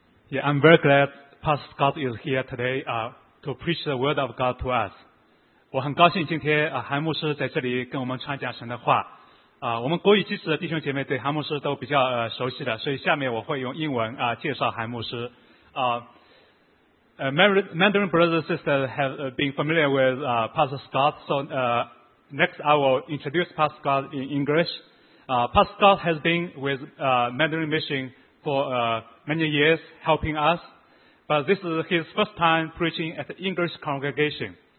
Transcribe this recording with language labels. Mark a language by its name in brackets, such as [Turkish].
[English] Yeah, I'm very glad Pastor Scott is here today to preach the word of God to us. [Chinese] 我很高兴今天韩牧师在这里跟我们传讲神的话。我们国语基础的弟兄姐妹对韩牧师都比较熟悉的，所以下面我会用英文介绍韩牧师。 [English] Mandarin brothers and sisters have been familiar with Pastor Scott, so next I will introduce Pastor Scott in English. Pastor Scott has been with Mandarin Mission for many years helping us, but this is his first time preaching at the English congregation.